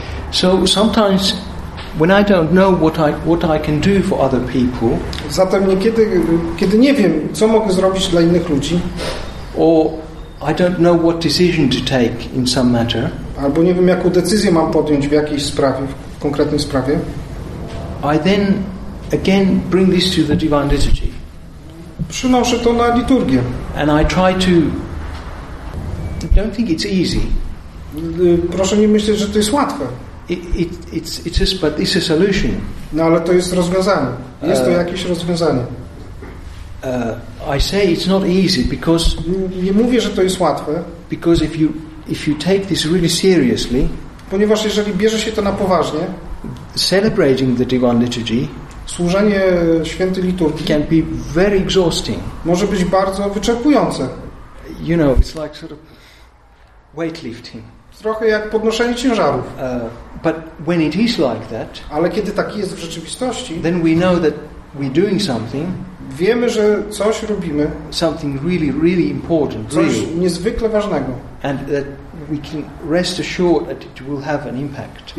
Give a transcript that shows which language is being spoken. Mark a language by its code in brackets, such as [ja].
[en] So sometimes when I don't know what I can do for other people, [pl] zatem niekiedy, kiedy nie wiem, co mogę zrobić dla innych ludzi, [en] or I don't know what decision to take in some matter, [pl] albo nie wiem, jaką decyzję mam podjąć w jakiejś sprawie, w konkretnej sprawie, [en] I then again bring this to the Divine Liturgy. [pl] Przynoszę to na liturgię. [en] And I try to, don't think it's easy. [pl] Proszę nie myśleć, że to jest łatwe. [en] It's a solution. [pl] No, ale to jest rozwiązanie. Jest to jakieś rozwiązanie. [en] I say it's not easy because. [pl] Nie mówię, że to jest łatwe. [en] Because if you take this really seriously. [pl] Ponieważ jeżeli bierze się to na poważnie. [en] Celebrating the Divine Liturgy. [pl] Służenie świętej liturgii. [en] Can be very exhausting. [pl] Może być bardzo wyczerpujące. [en] You know, it's like sort of weightlifting. [pl] Trochę jak podnoszenie ciężarów. [en] But when it is like that, [pl] ale kiedy tak jest w rzeczywistości, [en] then we know that we're doing something, [pl] wiemy, że coś robimy, [en] something really, really important, [pl] coś [en] really, [pl] niezwykle ważnego, [en] and that we can rest assured that it will have an impact.